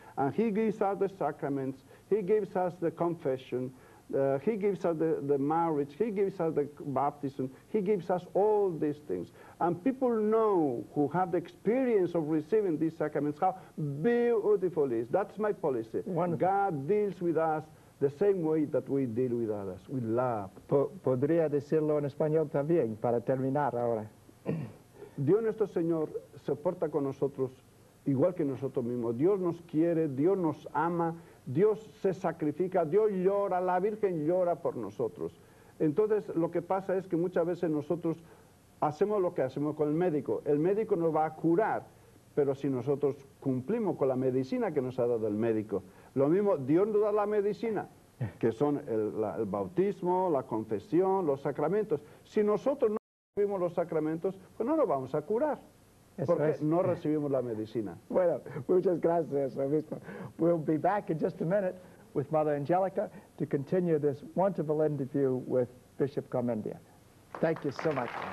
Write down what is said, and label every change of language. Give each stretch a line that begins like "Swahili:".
English: And he gives us the sacraments, he gives us the confession, he gives us the marriage, he gives us the baptism, he gives us all these things. And people know, who have the experience of receiving these sacraments, how beautiful it is. That's my policy. Wonderful. God deals with us the same way that we deal with others, with love.
Spanish: Podría decirlo en español también, para terminar ahora. Dios nuestro Señor se porta con nosotros igual que nosotros mismos. Dios nos quiere, Dios nos ama, Dios se sacrifica, Dios llora, la Virgen llora por nosotros. Entonces, lo que pasa es que muchas veces nosotros hacemos lo que hacemos con el médico. El médico nos va a curar, pero si nosotros cumplimos con la medicina que nos ha dado el médico. Lo mismo, Dios nos da la medicina, que son el bautismo, la confesión, los sacramentos. Si nosotros no recibimos los sacramentos, pues no nos vamos a curar, porque no recibimos la medicina. Bueno, muchas gracias, obispo.
English: We'll be back in just a minute with Mother Angelica to continue this wonderful interview with Bishop Garmendia. Thank you so much.